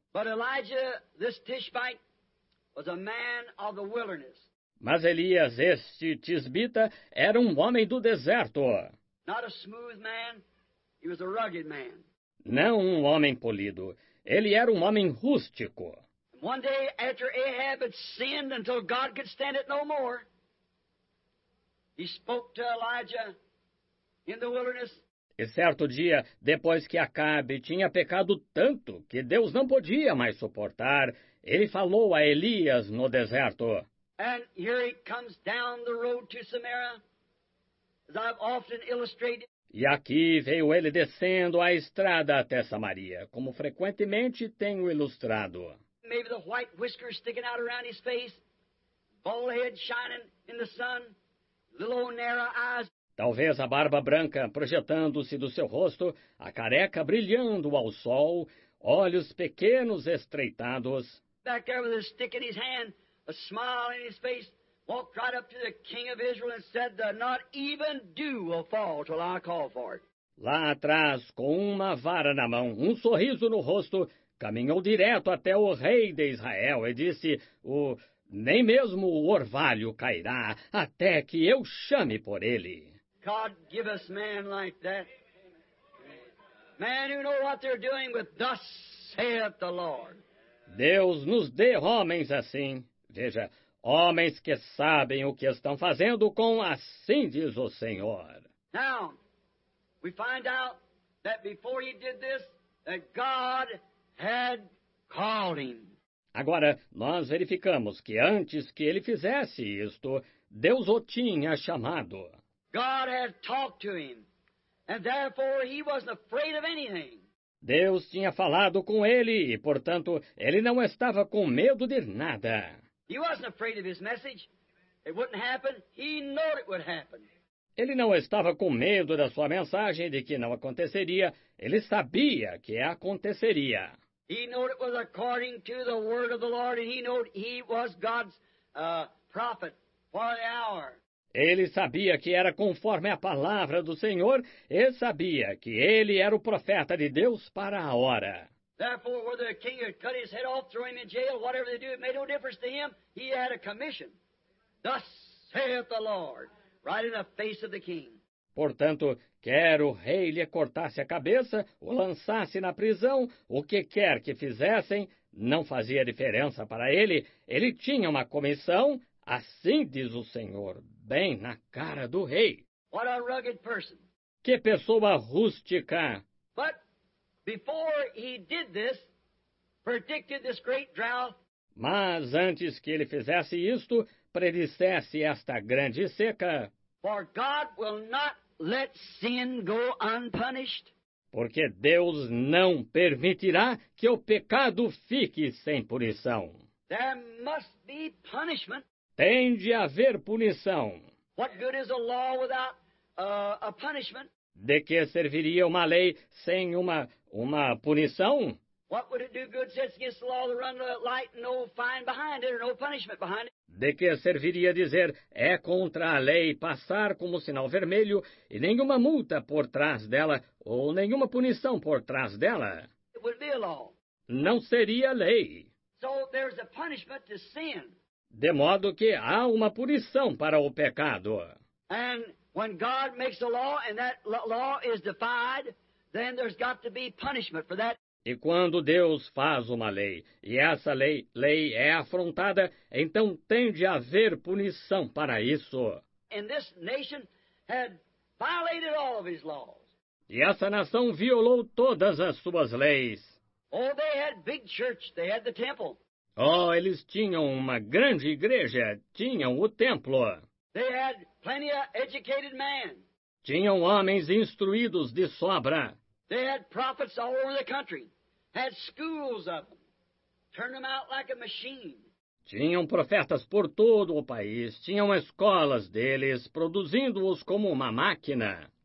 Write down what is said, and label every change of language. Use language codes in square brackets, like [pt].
[en] But Elijah, this Tishbite, was a man of the wilderness. [pt] Mas Elias, este Tisbita, era um homem do deserto. [en] Not a smooth man, he was a rugged man. [pt] Não um homem polido. Ele era um homem rústico. [en] One day after Ahab had sinned until God could stand it no more, he spoke to Elijah in the wilderness. [pt] E certo dia, depois que Acabe tinha pecado tanto que Deus não podia mais suportar, ele falou a Elias no deserto. [en] And here he comes down the road to Samaria, as I've often illustrated. [pt] E aqui veio ele descendo a estrada até Samaria, como frequentemente tenho ilustrado. [en] Maybe the white whiskers sticking out around his face, bald head shining in the sun, little old narrow eyes. [pt] Talvez a barba branca projetando-se do seu rosto, a careca brilhando ao sol, olhos pequenos estreitados. [en] Back there with a stick in his hand, a smile in his face. Walked right up to the king of Israel and said, not even dew will fall till I call for it. [pt] Lá atrás, com uma vara na mão, um sorriso no rosto, caminhou direto até o rei de Israel e disse, nem mesmo o orvalho cairá até que eu chame por ele. [en] God give us men like that. Men who know what they're doing with thus saith the Lord. [pt] Deus nos dê homens assim. Veja, homens que sabem o que estão fazendo com assim diz o Senhor. [en] Now, we find out that before he did this, that God had called him. [pt] Agora, nós verificamos que antes que ele fizesse isto, Deus o tinha chamado. [en] God had talked to him, and therefore he wasn't afraid of anything. [pt] Deus tinha falado com ele, e portanto, ele não estava com medo de nada. [en] He wasn't afraid of his message. It wouldn't happen. He knew it would happen. [pt] Ele não estava com medo da sua mensagem de que não aconteceria. Ele sabia que aconteceria. [en] He knew it was according to the word of the Lord, and he knew he was God's prophet for the hour. [pt] Ele sabia que era conforme a palavra do Senhor, e sabia que ele era o profeta de Deus para a hora. [en] Therefore, whether the king had cut his head off, throw him in jail, whatever they do, it made no difference to him. He had a commission. Thus saith the Lord, right in the face of the king. [pt] Portanto, quer o rei lhe cortasse a cabeça, o lançasse na prisão, o que quer que fizessem, não fazia diferença para ele. Ele tinha uma comissão Assim diz o Senhor, bem na cara do rei. [en] What a rugged person. [pt] Que pessoa rústica! [en] But before he did this, predicted this great drought. [pt] Mas antes que ele fizesse isto, predissesse esta grande seca. [en] For God will not let sin go unpunished. [pt] Porque Deus não permitirá que o pecado fique sem punição. [en] There must be punishment. [pt] Tem de haver punição. [en] What good is a law without a punishment? [pt] De que serviria uma lei sem uma punição? [en] What would it do good since against the law to run the light and no fine behind it or no punishment behind it? [pt] De que serviria dizer é contra a lei passar como sinal vermelho e nenhuma multa por trás dela ou nenhuma punição por trás dela? [en] It would be a law. [pt] Não seria lei. [en] So there's a punishment to sin. [pt] De modo que há uma punição para o pecado. [en] And when God makes a law and that law is defied, then there's got to be punishment for that. [pt] E quando Deus faz uma lei e essa lei é afrontada, então tem de haver punição para isso. [en] And this nation had violated all of his laws. [pt] E essa nação violou todas as suas leis. [en] Oh, they had big church, they had the temple. [pt] Oh, eles tinham uma grande igreja, tinham o templo. [en] They had plenty of educated men. [pt] Tinham homens instruídos de sobra. [en] They had prophets all over the country. Had schools of them. Turned them out like a machine. [pt] Tinham profetas por todo o país. Tinham escolas deles, produzindo-os como uma máquina.